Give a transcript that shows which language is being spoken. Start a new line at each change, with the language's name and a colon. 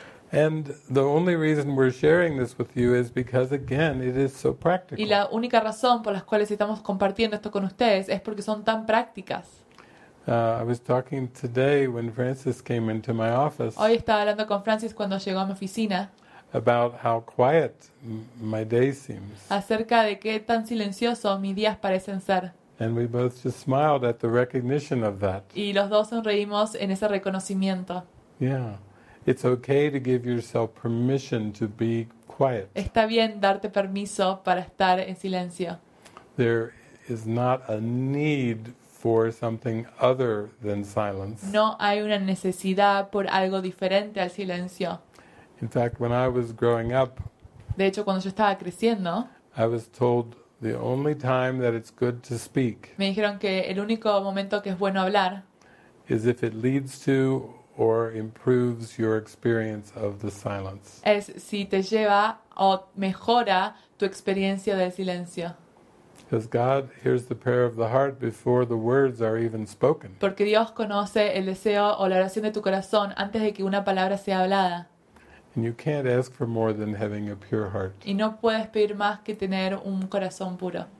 English: And the only reason we're sharing this with you is because, again, it is so practical.
Spanish: Y la única razón por las cuales estamos compartiendo esto con ustedes es porque son tan prácticas.
English: I was talking today when Francis came into my office.
Spanish: Hoy estaba hablando con Francis cuando llegó a mi oficina.
English: About how quiet my day seems.
Spanish: Acerca de qué tan silencioso mis días parecen ser.
English: And we both just smiled at the recognition of that.
Spanish: Y los dos sonreímos en ese reconocimiento.
English: Yeah. It's okay to give yourself permission to be quiet.
Spanish: Está bien darte permiso para estar en silencio.
English: There is not a need for something other than silence.
Spanish: No hay una necesidad por algo diferente al silencio.
English: In fact, when I was growing up,
Spanish: de hecho, cuando yo estaba creciendo,
English: I was told the only time that it's good to speak,
Spanish: me dijeron que el único momento que es bueno hablar,
English: is if it leads to or improves your experience of the silence.
Spanish: Es si te lleva o mejora tu experiencia del silencio.
English: Because God hears the prayer of the heart before the words are even spoken.
Spanish: Porque Dios conoce el deseo o la oración de tu corazón antes de que una palabra sea hablada.
English: And you can't ask for more than having a pure heart.
Spanish: Y no puedes pedir más que tener un corazón puro.